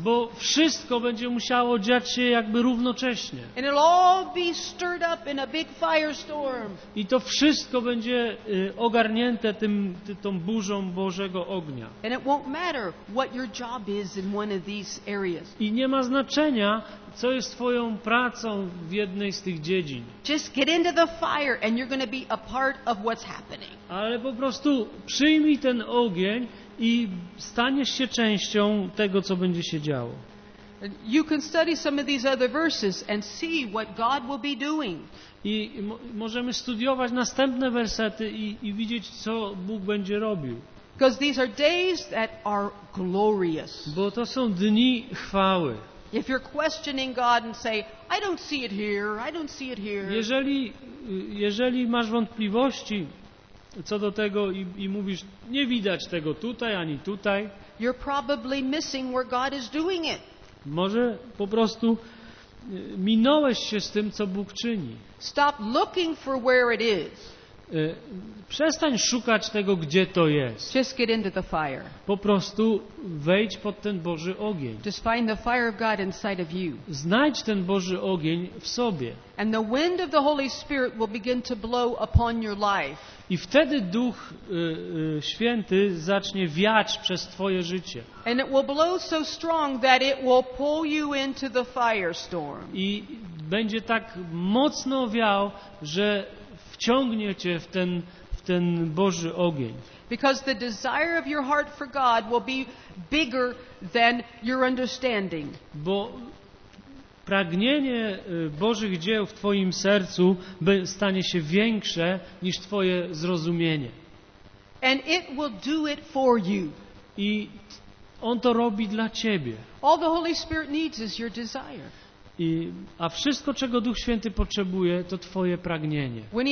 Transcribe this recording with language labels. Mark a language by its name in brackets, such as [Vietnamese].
[Polish] Bo wszystko będzie musiało dziać się jakby równocześnie. [English] And it'll all be stirred up in a big firestorm. [Polish] I to wszystko będzie ogarnięte tą burzą Bożego ognia. [English] And it won't matter what your job is in one of these areas. [Polish] I nie ma znaczenia, co jest twoją pracą w jednej z tych dziedzin. [English] Just get into the fire and you're going to be a part of what's happening. [Polish] Ale po prostu przyjmij ten ogień i staniesz się częścią tego, co będzie się działo. [English] You can study some of these other verses and see what God will be doing. [Polish] I możemy studiować następne wersety i widzieć, co Bóg będzie robił. [English] Because these are days that are glorious. [Polish] Bo to są dni chwały. [English] If you're questioning God and say, I don't see it here, I don't see it here. [Polish] Jeżeli masz wątpliwości co do tego i mówisz, nie widać tego tutaj ani tutaj, [English] you're probably missing where God is doing it. [Polish] Może po prostu minąłeś się z tym, co Bóg czyni. [English] Stop looking for where it is. [Polish] Przestań szukać tego, gdzie to jest. [English] Just get into the fire. [Polish] Po prostu wejdź pod ten Boży ogień. [English] Just find the fire of God inside of you. [Polish] Znajdź ten Boży ogień w sobie. [English] And the wind of the Holy Spirit will begin to blow upon your life. [Polish] I wtedy Duch Święty zacznie wiać przez twoje życie. [English] And it will blow so strong that it will pull you into the firestorm. [Polish] I będzie tak mocno wiał, że ciągnie cię w ten Boży ogień. [English] Because the desire of your heart for God will be bigger than your understanding. [Polish] Bo pragnienie Bożych dzieł w twoim sercu stanie się większe niż twoje zrozumienie. [English] And it will do it for you. [Polish] I on to robi dla ciebie. [English] All the Holy Spirit needs is your desire. [Polish] A wszystko, czego Duch Święty potrzebuje, to twoje pragnienie.